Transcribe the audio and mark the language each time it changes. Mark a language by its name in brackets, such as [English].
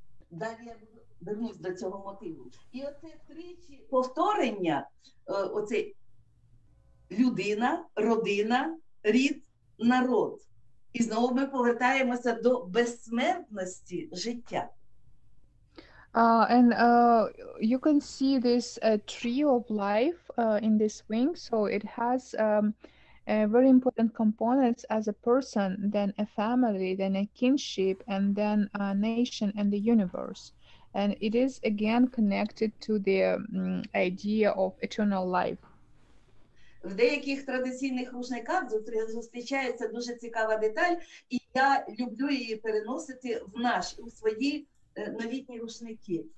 [Ukrainian] Далі я вернусь до цього мотиву. І оце тричі повторення, оце людина, родина, рід, народ. І знову ми повертаємося до безсмертності життя. [English] And you can see this tree of life in this wing. So it has very important components as a person, then a family, then a kinship, and then a nation and the universe. And it is again connected to the idea of eternal life. [Ukrainian] В деяких традиційних рушниках зустрічається дуже цікава деталь, і я люблю її переносити в наш, у свої новітні рушники.